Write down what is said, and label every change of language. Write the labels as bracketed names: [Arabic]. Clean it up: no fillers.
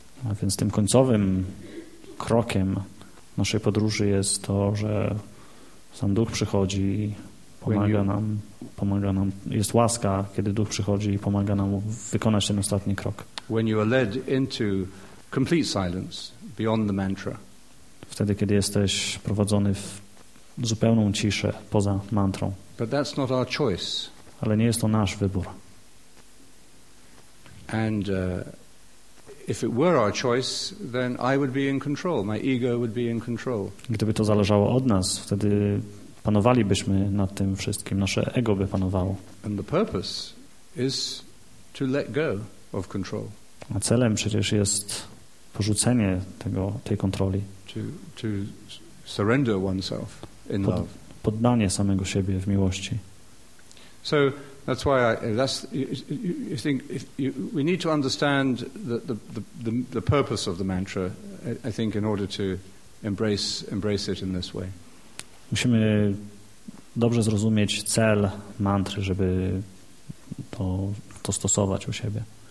[Polish] A więc tym końcowym krokiem naszej podróży jest to, że sam Duch przychodzi i pomaga nam, jest łaska, kiedy Duch przychodzi i pomaga nam wykonać ten ostatni krok. [English] When you are led into complete silence beyond the mantra. [Polish] Wtedy, kiedy jesteś prowadzony w zupełną ciszę poza mantrą. [English] But that's not our choice. [Polish] Ale nie jest to nasz wybór. [English] And if it were our choice, then I would be in control. My ego would be in control. [Polish] Gdyby to zależało od nas, wtedy panowalibyśmy nad tym wszystkim. Nasze ego by panowało. [English] And the purpose is to let go of control. [Polish] A celem przecież jest porzucenie tej kontroli. [English] To surrender oneself in love. [Polish] Poddanie samego siebie w miłości. [English] So that's why you think we need to understand the purpose of the mantra, I think, in order to embrace it in this way. [Polish] Musimy dobrze zrozumieć cel mantry, żeby to stosować u siebie.